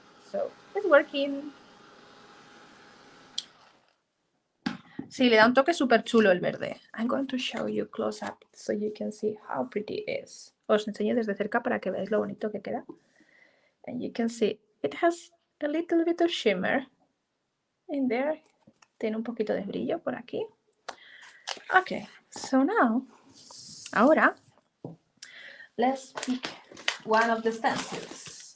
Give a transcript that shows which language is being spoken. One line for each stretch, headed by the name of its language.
English: So it's working.
Spanish: Sí, le da un toque súper chulo el verde.
English: I'm going to show you close up so you can see how pretty it is.
Spanish: Os enseño desde cerca para que veáis lo bonito que queda.
English: And you can see it has a little bit of shimmer in there.
Spanish: Tiene un poquito de brillo por aquí.
English: Okay, so now,
Spanish: ahora,
English: let's pick one of the stencils.